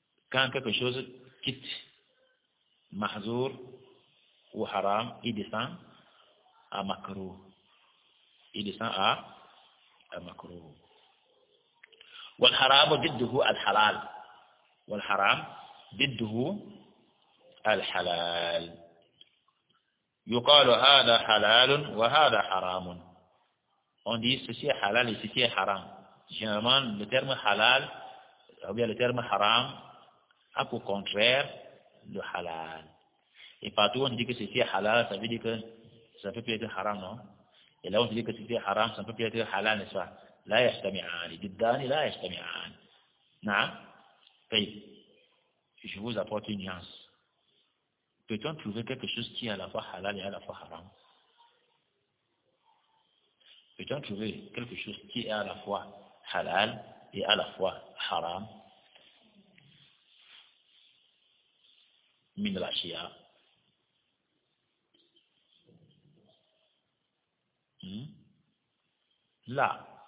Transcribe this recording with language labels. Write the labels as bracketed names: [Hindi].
[French] Quand quelque chose quitte mahzour ou haram, il descend à makrou. Il descend à makrou. [Arabic] والحرام ضده الحلال والحرام ضده الحلال يقال هذا حلال وهذا حرام [French] on dit ceci est halal et ceci est haram. Généralement le terme halal ou bien le terme haram a pour contraire le halal, et partout on dit que ceci est halal, ça veut dire que ça peut être haram, non? Et là on dit que ceci est haram, ça peut être halal, n'est-ce pas? [Arabic] لا يجتمعان جدان لا يجتمعان نعم طيب [French] je vous apporte une nuance. Peut-on trouver quelque chose qui est à la fois halal et à la fois haram? Peut-on trouver quelque chose qui est à la fois halal et à la fois haram? [Arabic] من الأشياء لا.